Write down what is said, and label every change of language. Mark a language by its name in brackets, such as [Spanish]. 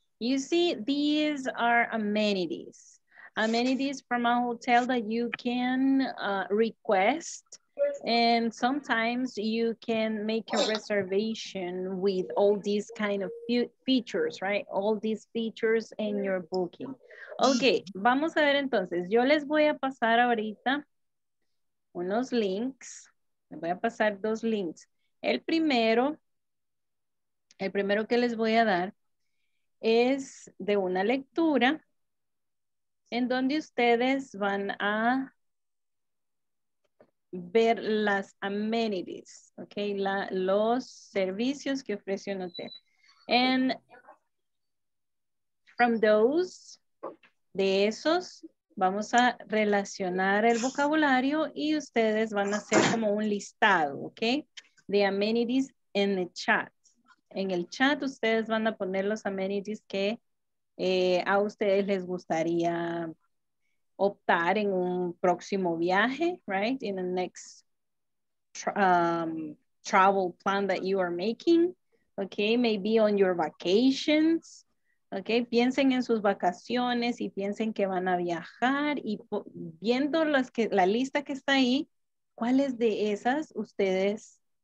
[English] You see, these are amenities from a hotel that you can request, and sometimes you can make a reservation with all these kind of features, right? All these features in your booking. Okay, [Spanish] vamos a ver entonces. Yo les voy a pasar ahorita unos links. Les voy a pasar dos links. El primero que les voy a dar es de una lectura en donde ustedes van a ver las amenities, ¿ok? Los servicios que ofrece un hotel. [English] And from those, [Spanish] de esos, vamos a relacionar el vocabulario y ustedes van a hacer como un listado, ¿ok? De amenities en el chat. En el chat ustedes van a poner los amenities que a ustedes les gustaría optar en un próximo viaje, [English] right? In the next travel plan that you are making, okay? Maybe on your vacations, okay? [Spanish] Piensen en sus vacaciones y piensen que van a viajar y viendo la lista que está ahí, ¿cuáles de esas ustedes